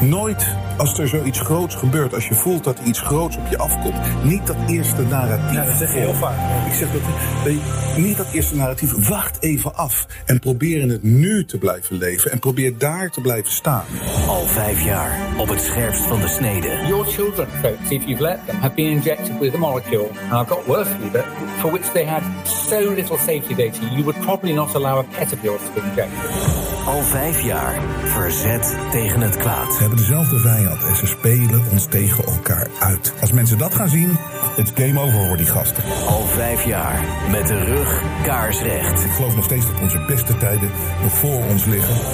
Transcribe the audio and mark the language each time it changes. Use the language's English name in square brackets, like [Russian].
[Dutch] Nooit als er zoiets groots gebeurt, als je voelt dat er iets groots op je afkomt. Niet dat eerste narratief. Ja, dat zeg je heel vaak. Ik zeg dat niet dat eerste narratief. Wacht even af en probeer in het nu te blijven leven. En probeer daar te blijven staan. Al vijf jaar op het scherpst van de snede. [English] Your children, folks, if you've let them, have been injected with a molecule. And I've got word for you that for which they had so little safety data, you would probably not allow a pet of yours to be injected. [Dutch] Al vijf jaar verzet tegen het kwaad. We hebben dezelfde vijand en ze spelen ons tegen elkaar uit. Als mensen dat gaan zien, het is game over voor die gasten. Al vijf jaar met de rug kaarsrecht. Ik geloof nog steeds dat onze beste tijden nog voor ons liggen.